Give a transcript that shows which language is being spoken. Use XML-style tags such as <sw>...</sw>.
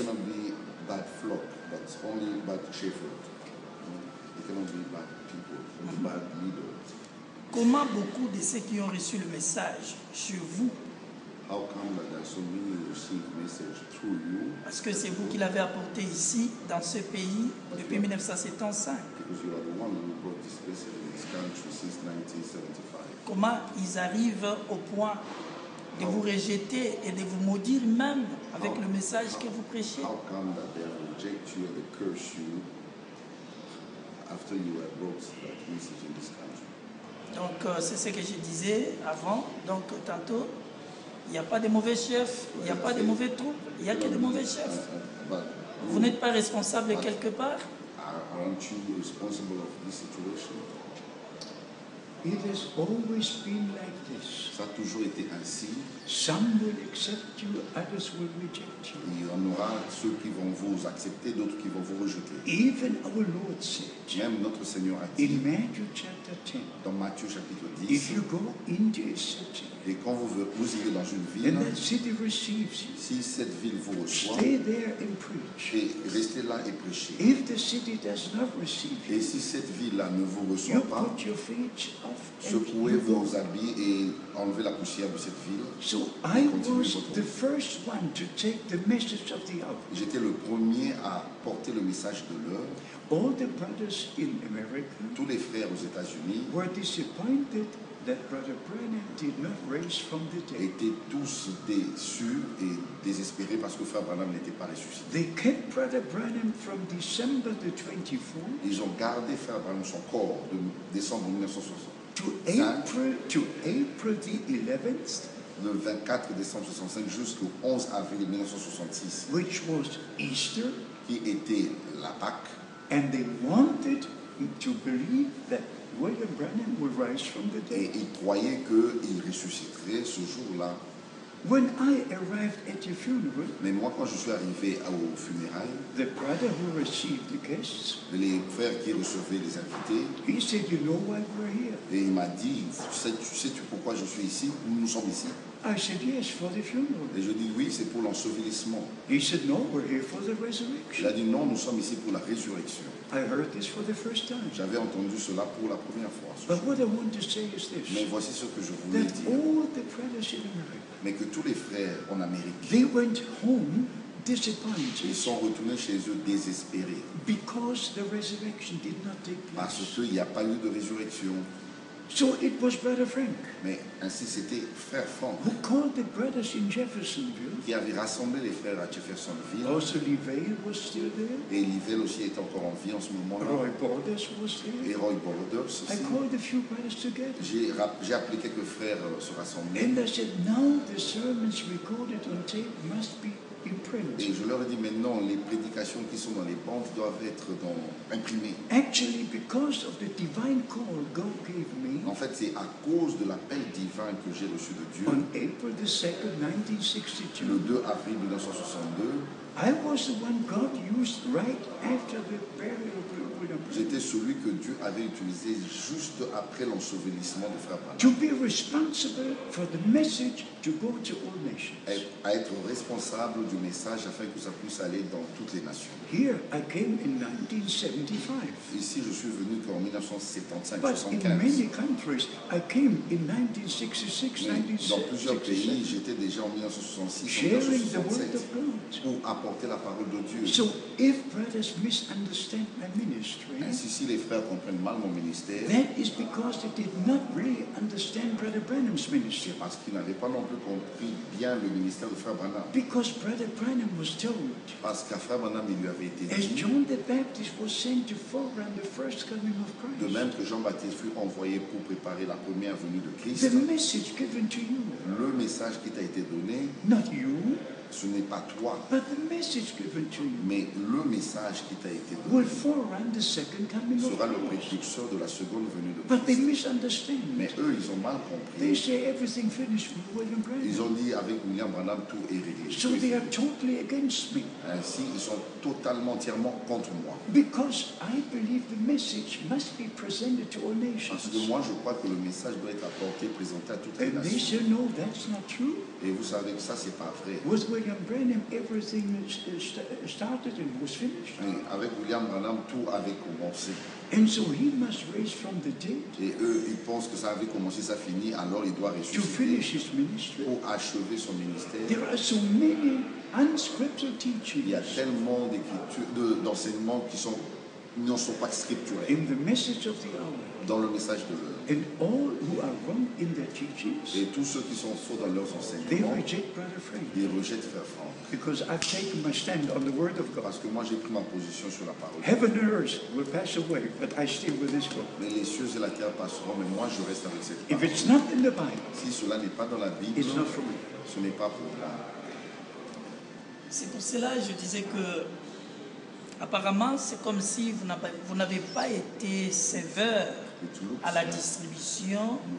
<en>It cannot be bad flock, but it's only bad shepherds. It cannot be bad people, bad leaders.</en> <fr>Comment beaucoup de ceux qui ont reçu le message sur vous?</fr> <en>How come that there are so many received message through you?</en> <fr>Parce que c'est vous qui l'avez apporté ici, dans ce pays, depuis 1975.</fr> <en>Because you are the one who brought this message in this country since 1975.</en> <fr>Comment ils arrivent au point de vous rejeter et de vous maudire même avec le message que vous prêchez.</fr> <en>How come that they reject you and curse you after you have brought that message in this country?</en> <fr>Donc c'est ce que je disais avant, donc tantôt, il n'y a pas de mauvais chefs, il n'y a pas de mauvais troupes, il n'y a que de mauvais chefs. Vous n'êtes pas responsable quelque part?</fr> <en>Aren't you responsible of this situation? It has always been like this.</en> <fr>Ça a toujours été ainsi.</fr> <en>Some will accept you, others will reject you.</en> <fr>Il y en aura ceux qui vont vous accepter, d'autres qui vont vous rejeter.</fr> <en>Even our Lord said.</en> <fr>Même notre Seigneur a dit.</fr> <en>In Matthew chapter 10.</en> <fr>Dans Matthieu chapitre 10.</fr> <en>If you go into a city.</en> <fr>Et quand vous irez dans une ville.</fr> <en>And that city receives you.</en> <fr>Si cette ville vous reçoit.</fr> <en>Stay there and preach.</en> <fr>Et restez là et prêchez.</fr> <en>If the city does not receive you.</en> <fr>Et si cette ville-là ne vous reçoit pas.</fr> <en>You put your feet off.</en> <fr>Secouez vos habits et enlevez la poussière de cette ville.</fr> <en>So I was the first one to take the message of the hour.</en> <fr>J'étais le premier à porter le message de l'heure.</fr> <en>All the brothers in America.</en> <fr>Tous les frères aux États-Unis.</fr> <en>Were disappointed that Brother Branham did not raise from the dead.</en> <fr>Étaient tous déçus et désespérés parce que Frère Branham n'était pas ressuscité.</fr> <en>They kept Brother Branham from December the 24th.</en> <fr>Ils ont gardé Frère Branham son corps de décembre 1965.</fr> <en>To April the 11th.</en> <fr>Le 24 décembre 65 jusqu'au 11 avril 1966,</fr> <en>which was Easter,</en> <fr>qui était la Pâque,</fr> <en>and they wanted to believe that William Branham would rise from the dead.</en> <fr>Et ils croyaient que il ressusciterait ce jour-là.</fr> <en>When I arrived at your funeral,</en> <fr>mais moi quand je suis arrivé aux funérailles,</fr> <en>the brother who received the guests,</en> <fr>les frères qui recevaient les invités,</fr> <en>he said, "You know why we're here?"</en> <fr>Et il m'a dit, sais-tu pourquoi je suis ici? Nous sommes ici.</fr> <en>I said, yes, for the funeral.</en> <fr>Et je dis oui, c'est pour l'ensevelissement.</fr> <en>He said, no, we're here for the resurrection.</en> <fr>Il a dit non, nous sommes ici pour la résurrection.</fr> <en>I heard this for the first time.</en> <fr>J'avais entendu cela pour la première fois.</fr> <en>But what I want to say is this.</en> <fr>Mais voici ce que je voulais</fr> <en>that</en> <fr>dire.</fr> <en>All the brothers in America,</en> <fr>mais que tous les frères en Amérique,</fr> <en>they went home disappointed.</en> <fr>Ils sont retournés chez eux désespérés.</fr> <en>Because the resurrection did not take place.</en> <fr>Parce qu'il n'y a pas eu de résurrection.</fr> <en>So it was Brother Frank.</en> <fr>Mais ainsi c'était Frère Frank.</fr> <en>Who called the brothers in Jeffersonville?</en> <fr>Qui avait rassemblé les frères à Jeffersonville.</fr> <en>Also, Livelle was still there.</en> <fr>Et Livelle aussi est encore en vie en ce moment-là.</fr> <en>Roy Borders was there.</en> <fr>Et Roy Borders aussi.</fr> <en>I called a few brothers together.</en> <fr>J'ai appelé quelques frères se rassembler.</fr> <en>And I said, now the sermons recorded on tape must be imprinted.</en> <fr>Et je leur ai dit maintenant, les prédications qui sont dans les bandes doivent être imprimées.</fr> <en>Actually, because of the divine call God gave me.</en> <fr>En fait, c'est à cause de l'appel divin que j'ai reçu de Dieu.</fr> <en>On April the 2nd, 1962.</en> <fr>Le 2 avril 1962.</fr> <en>I was the one God used right after the burial of Brother Branham.</en> <fr>J'étais celui que Dieu avait utilisé juste après l'ensevelissement de Frère Branham.</fr> <en>To be responsible for the message to go to all nations.</en> <fr>À être responsable du message afin que ça puisse aller dans toutes les nations.</fr> <en>Here I came in 1975.</en> <fr>Ici je suis venu qu'en 1975.</fr> <en>But</en> <fr>75.</fr> <en>In many countries I came in 1966, 1967.</en> <fr>Dans plusieurs pays j'étais déjà en 1966.</fr> <en>Sharing the word of God.</en> <fr>Apporter la parole de Dieu.</fr> <en>So if brothers misunderstand my ministry,</en> <fr>ainsi si les frères comprennent mal mon ministère,</fr> <en>that is because they did not really understand Brother Branham's ministry.</en> <fr>Parce qu'ils n'avaient pas non plus compris bien le ministère de Frère Branham.</fr> <en>Because Brother Branham was told,</en> <fr>parce qu'à Frère Branham il lui avait été dit,</fr> <en>as John the Baptist was sent to forerun the first coming of Christ.</en> <fr>De même que Jean-Baptiste fut envoyé pour préparer la première venue de Christ.</fr> <en>The message given to you,</en> <fr>le message qui t'a été donné,</fr> <en>not you.</en> <fr>Ce n'est pas toi,</fr> <en>but the message given to you,</en> <fr>mais le message qui t'a été donné sera le précurseur de la seconde venue de</fr> <en>Christ. But they misunderstand.</en> <fr>Mais eux, ils ont mal compris.</fr> <en>They say everything finished with William Branham.</en> <fr>Ils ont dit avec William Branham tout est réglé.</fr> <en>So they are totally against me.</en> <fr>Ainsi, ils sont totalement, entièrement contre moi.</fr> <en>Because I believe the message must be presented to all nations.</en> <fr>Parce que moi, je crois que le message doit être apporté, présenté à toutes</fr> <en>and</en> <fr>les nations.</fr> <en>And they say, no, that's not true.</en> <fr>Et vous savez que ça, c'est pas vrai.</fr> <en>With William Branham, everything started and was finished.</en> <fr>Et avec William Branham, tout avait commencé.</fr> <en>And so he must raise from the dead.</en> <fr>Et eux, ils pensent que ça avait commencé, ça finit, alors il doit ressusciter.</fr> <en>To finish his ministry.</en> <fr>Pour achever son ministère.</fr> <en>There are so many unscriptural teachings.</en> <fr>Il y a tellement d'enseignements qui sont non sont pas scripturés.</fr> <en>In the message of the hour.</en> <fr>Dans le message de l'heure.</fr> <en>And all who are wrong in their teachings.</en> <fr>Et tous ceux qui sont faux dans leurs enseignements.</fr> <en>They reject Brother Frank.</en> <fr>Ils rejettent Frère Frank.</fr> <en>Because I've taken my stand on the word of God.</en> <fr>Parce que moi j'ai pris ma position sur la parole.</fr> <en>Heaven and earth will pass away, but I stay with this book.</en> <fr>Mais les cieux et la terre passeront, mais moi je reste avec cette parole.</fr> <en>If it's not in the Bible.</en> <fr>Si cela n'est pas dans la Bible.</fr> <en>It's not for me.</en> <fr>Ce n'est pas pour moi. C'est pour cela que je disais que apparemment c'est comme si vous n'avez pas été sévère à la distribution</fr>